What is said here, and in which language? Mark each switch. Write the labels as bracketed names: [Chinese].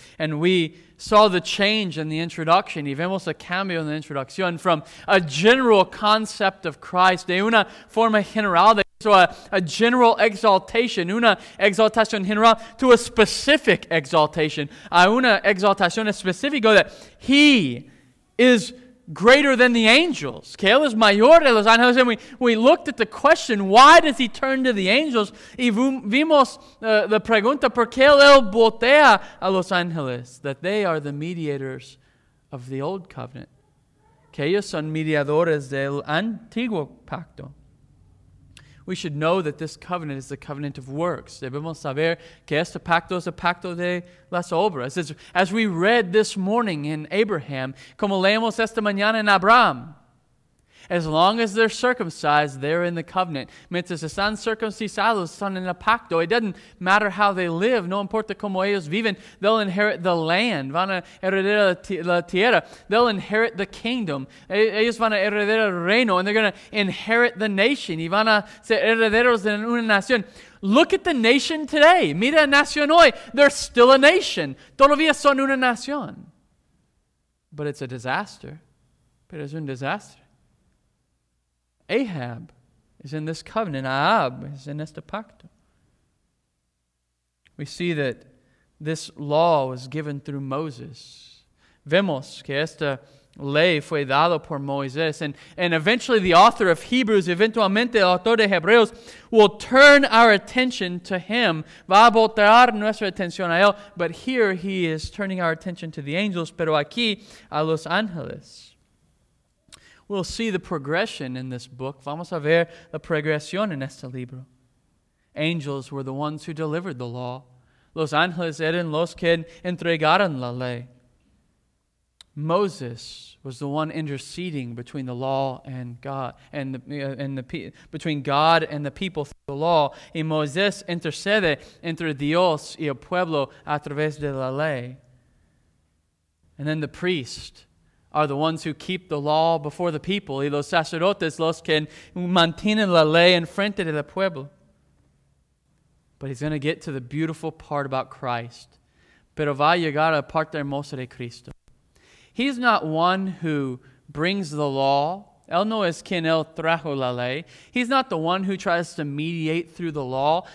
[English] And we saw the change in the introduction. [Spanish] Y vemos el cambio en la introducción [English] from a general concept of Christ, [Spanish] de una forma general, [English] de a general exaltation, [Spanish] una exaltación general, [English] to a specific exaltation, [Spanish] a una exaltación específica, [English] that he is greater than the angels. [Spanish] Que él es mayor de los ángeles. [English] And we looked at the question, why does he turn to the angels? [Spanish] Y vimos la pregunta, ¿por qué él voltea a los ángeles? [English] That they are the mediators of the old covenant. [Spanish] Que ellos son mediadores del antiguo pacto. [English] We should know that this covenant is the covenant of works. [Spanish] Debemos saber que este pacto es el pacto de las obras. [English] As we read this morning in Abraham, [Spanish] como leemos esta mañana en Abraham, [English] As long as they're circumcised, they're in the covenant. [Spanish] Mientras están circuncisados, están en el pacto. [English] It doesn't matter how they live, [Spanish] no importa cómo ellos viven, [English] they'll inherit the land, [Spanish] van a heredar la tierra. [English] They'll inherit the kingdom. [Spanish] Ellos van a heredar el reino, [English] and they're going to inherit the nation. [Spanish] Y van a ser herederos de una nación. [English] Look at the nation today. [Spanish] Mira la nación hoy. [English] They're still a nation. [Spanish] Todavía son una nación. [English] But it's a disaster. [Spanish] Pero es un desastre. [English] Ahab is in this covenant. Ahab is in [Spanish] este pacto. [English] We see that this law was given through Moses. [Spanish] Vemos que esta ley fue dado por Moisés. [English] And eventually the author of Hebrews, [Spanish] eventualmente el autor de Hebreos, [English] will turn our attention to him. [Spanish] Va a voltear nuestra atención a él. [English] But here he is turning our attention to the angels, [Spanish] pero aquí a los ángeles. [English] We'll see the progression in this book. [Spanish] Vamos a ver la progresión en este libro. [English] Angels were the ones who delivered the law. [Spanish] Los ángeles eran los que entregaron la ley. [English] Moses was the one interceding between the law and God, between God and the people through the law. [Spanish] Y Moisés intercede entre Dios y el pueblo a través de la ley. [English] And then the priest are the ones who keep the law before the people. [Spanish] Y los sacerdotes, los que mantienen la ley en frente de la pueblo. [English] But he's going to get to the beautiful part about Christ. [Spanish] Pero va a llegar a la parte hermosa de Cristo. [English] He's not one who brings the law. [Spanish] Él no es quien él trajo la ley. [English] He's not the one who tries to mediate through the law.